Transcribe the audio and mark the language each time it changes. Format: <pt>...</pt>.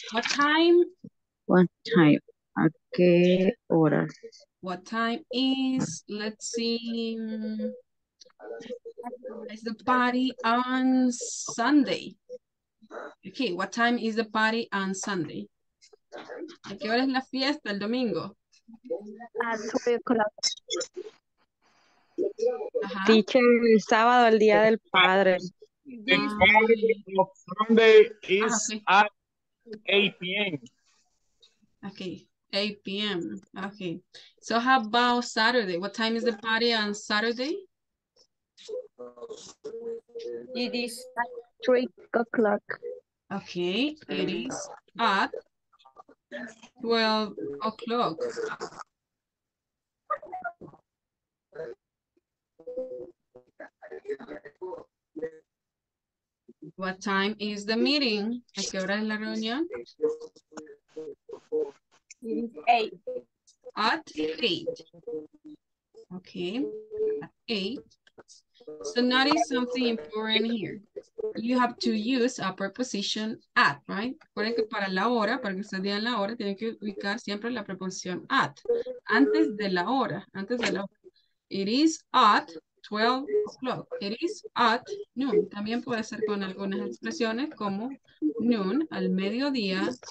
<en>What time? What time?</en> <es>¿A qué horas?</es> <en>What time is, let's see, is the party on Sunday? Okay, what time is the party on Sunday?</en> <es>¿A qué hora es la fiesta el domingo?</es> <en>At 3 o'clock.</en> <es>Ajá. Teacher, el sábado, el día del padre.</es> <en>The party of Sunday is at 8 p.m. Okay. 8 p.m. Okay. So how about Saturday? What time is the party on Saturday? It is at 3 o'clock. Okay. It is at 12 o'clock. What time is the meeting?</en> <es>¿A qué hora es la reunión?</es> <en>Eight. At 8. Okay. At 8. So notice something important here. You have to use a preposition at, right?</en> <es>Recuerden que para la hora, para que ustedes digan la hora, tienen que ubicar siempre la preposición at. Antes de la hora. Antes de la hora.</es> <en>It is at 12 o'clock. It is at noon.</en> <es>También puede ser con algunas expresiones como noon, al mediodía.</es>